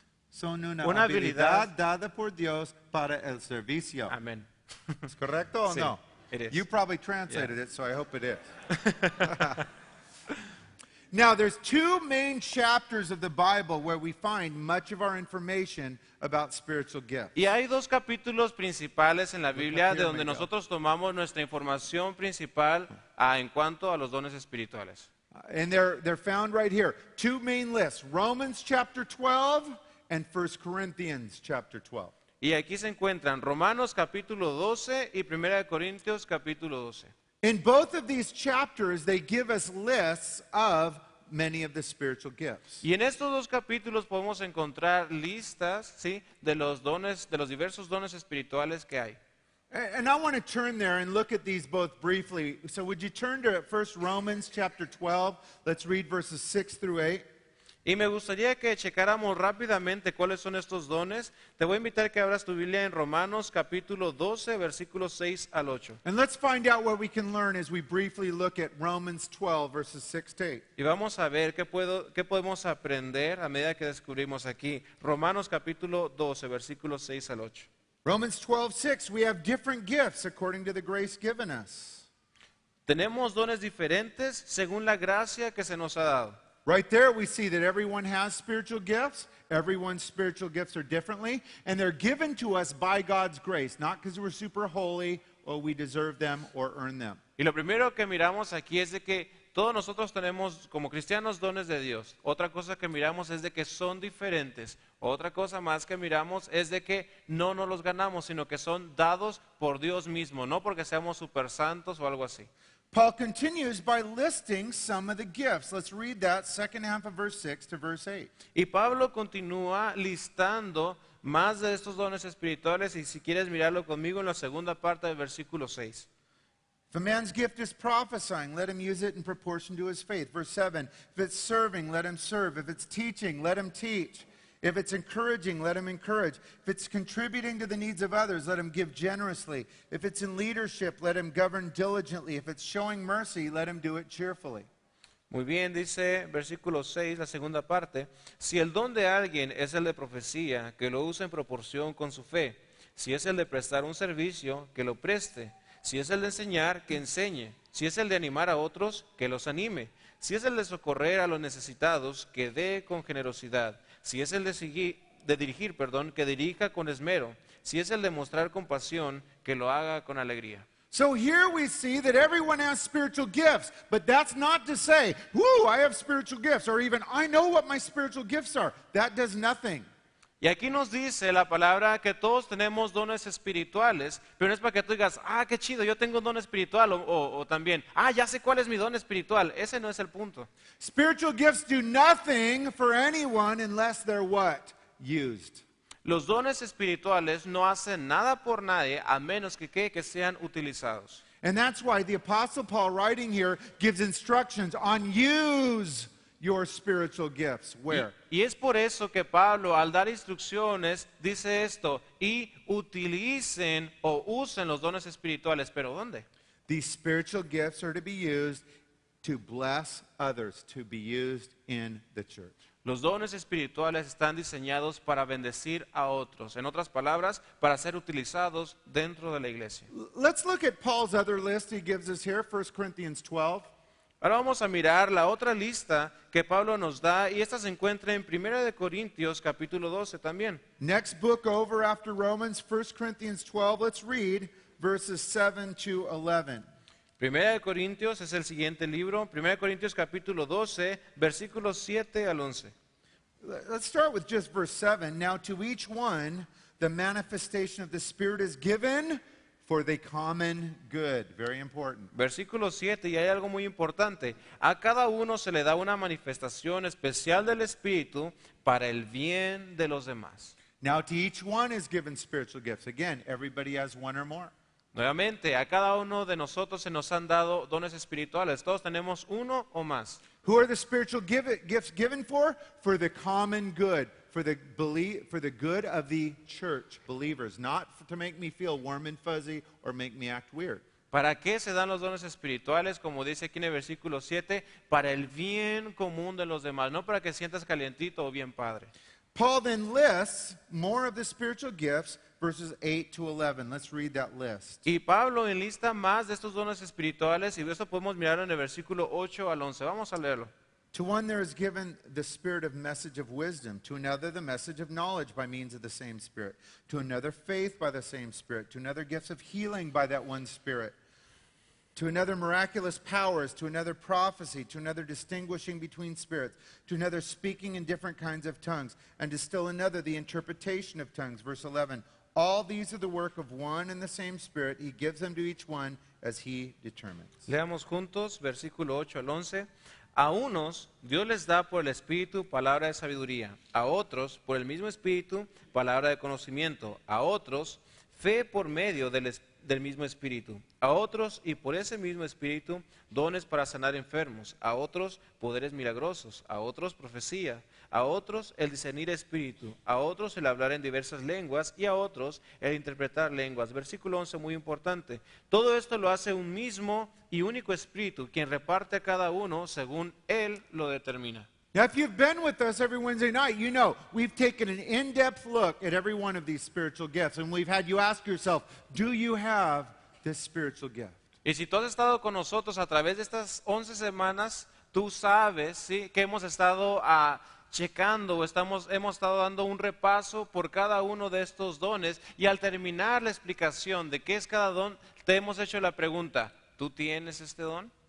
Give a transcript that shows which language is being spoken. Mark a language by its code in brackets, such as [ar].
[es] Son una habilidad dada por Dios para el servicio. [en] Amen. [es] ¿Es correcto o sí, no? [en] It is. You probably translated it, so I hope it is. Now, there's two main chapters of the Bible where we find much of our information about spiritual gifts. [es] Y hay dos capítulos principales en la Biblia de donde nosotros tomamos nuestra información principal en cuanto a los dones espirituales. [en] And they're found right here. Two main lists, Romans chapter 12 and 1 Corinthians chapter 12. [es] Y aquí se encuentran Romanos capítulo 12 y 1 Corintios capítulo 12. [en] In both of these chapters, they give us lists of many of the spiritual gifts. [es] Y en estos dos capítulos podemos encontrar listas, sí, de los dones, de los diversos dones espirituales que hay. [en] And I want to turn there and look at these both briefly. So would you turn to first Romans chapter 12? Let's read verses 6 through 8. [es] Y me gustaría que checáramos rápidamente cuáles son estos dones. Te voy a invitar a que abras tu Biblia en Romanos capítulo 12, versículos 6 al 8. [en] And let's find out what we can learn as we briefly look at Romans 12, verses 6 to 8. [es] Y vamos a ver qué podemos aprender a medida que descubrimos aquí. Romanos capítulo 12, versículos 6 al 8. [en] Romans 12, 6, we have different gifts according to the grace given us. [es] Tenemos dones diferentes según la gracia que se nos ha dado. [en] Right there we see that everyone has spiritual gifts. Everyone's spiritual gifts are differently. And they're given to us by God's grace, not because we're super holy or we deserve them or earn them. [es] Y lo primero que miramos aquí es de que todos nosotros tenemos como cristianos dones de Dios. Otra cosa que miramos es de que son diferentes. Otra cosa más que miramos es de que no nos los ganamos, sino que son dados por Dios mismo, no porque seamos super santos o algo así. [en] Paul continues by listing some of the gifts. Let's read that second half of verse 6 to verse 8. [es] Y Pablo continúa listando más de estos dones espirituales, y si quieres mirarlo conmigo en la segunda parte del versículo 6. [en] If a man's gift is prophesying, let him use it in proportion to his faith. Verse 7, if it's serving, let him serve. If it's teaching, let him teach. If it's encouraging, let him encourage. If it's contributing to the needs of others, let him give generously. If it's in leadership, let him govern diligently. If it's showing mercy, let him do it cheerfully. [es] Muy bien, dice versículo 6, la segunda parte. Si el don de alguien es el de profecía, que lo use en proporción con su fe. Si es el de prestar un servicio, que lo preste. Si es el de enseñar, que enseñe. Si es el de animar a otros, que los anime. Si es el de socorrer a los necesitados, que dé con generosidad. Si es el de dirigir, que dirija con esmero. Si es el de mostrar compasión, que lo haga con alegría. [en] So here we see that everyone has spiritual gifts, but that's not to say, "Woo, I have spiritual gifts," or even, "I know what my spiritual gifts are." That does nothing. [es] Y aquí nos dice la palabra que todos tenemos dones espirituales, pero no es para que tú digas, "Ah, qué chido, yo tengo un don espiritual," o también, "Ah, ya sé cuál es mi don espiritual." Ese no es el punto. [en] Spiritual gifts do nothing for anyone unless they're what? Used. [es] Los dones espirituales no hacen nada por nadie a menos que sean utilizados. [en] And that's why the Apostle Paul writing here gives instructions on use your spiritual gifts. Where? [es] Y es por eso que Pablo al dar instrucciones dice esto, y utilicen o usen los dones espirituales, pero ¿dónde? [en] These spiritual gifts are to be used to bless others, to be used in the church. [es] Los dones espirituales están diseñados para bendecir a otros. En otras palabras, para ser utilizados dentro de la iglesia. [en] Let's look at Paul's other list he gives us here, 1 Corinthians 12. [es] Ahora vamos a mirar la otra lista que Pablo nos da, y esta se encuentra en 1 Corintios capítulo 12 también. [en] Next book over after Romans, 1 Corinthians 12. Let's read verses 7 to 11. [es] 1 Corintios es el siguiente libro, 1 Corintios capítulo 12, versículos 7 al 11. [en] Let's start with just verse 7. Now to each one, the manifestation of the Spirit is given for the common good. Very important. [es] Versículo 7, y hay algo muy importante. A cada uno se le da una manifestación especial del Espíritu para el bien de los demás. [en] Now to each one is given spiritual gifts. Again, everybody has one or more. [es] Nuevamente, a cada uno de nosotros se nos han dado dones espirituales. Todos tenemos uno o más. [en] Who are the spiritual gifts given for? For the common good, for the good of the church, believers, not to make me feel warm and fuzzy or make me act weird. [es] ¿Para qué se dan los dones espirituales? Como dice aquí en el versículo 7, para el bien común de los demás, no para que sientas calientito o bien padre. [en] Paul then lists more of the spiritual gifts, verses 8 to 11. Let's read that list. [es] Y Pablo enlista más de estos dones espirituales, y esto podemos mirarlo en el versículo 8 al 11. Vamos a leerlo. [en] To one there is given the spirit of message of wisdom, to another the message of knowledge by means of the same spirit, to another faith by the same spirit, to another gifts of healing by that one spirit, to another miraculous powers, to another prophecy, to another distinguishing between spirits, to another speaking in different kinds of tongues, and to still another the interpretation of tongues. Verse 11, all these are the work of one and the same Spirit. He gives them to each one as he determines. [es] Leamos juntos, versículo 8 al 11. A unos Dios les da por el Espíritu palabra de sabiduría, a otros por el mismo Espíritu palabra de conocimiento, a otros fe por medio del mismo Espíritu, a otros y por ese mismo Espíritu dones para sanar enfermos, a otros poderes milagrosos, a otros profecía, a otros el discernir Espíritu, a otros el hablar en diversas lenguas y a otros el interpretar lenguas. Versículo 11, muy importante. Todo esto lo hace un mismo y único Espíritu, quien reparte a cada uno según Él lo determina. [en] Now, if you've been with us every Wednesday night, you know we've taken an in-depth look at every one of these spiritual gifts, and we've had you ask yourself, do you have this spiritual gift? [es] Y si tú has estado con nosotros a través de estas 11 semanas, tú sabes, ¿sí?, que hemos estado checando, hemos estado dando un repaso por cada uno de estos dones, y al terminar la explicación de qué es cada don, te hemos hecho la pregunta, ¿tú tienes este don?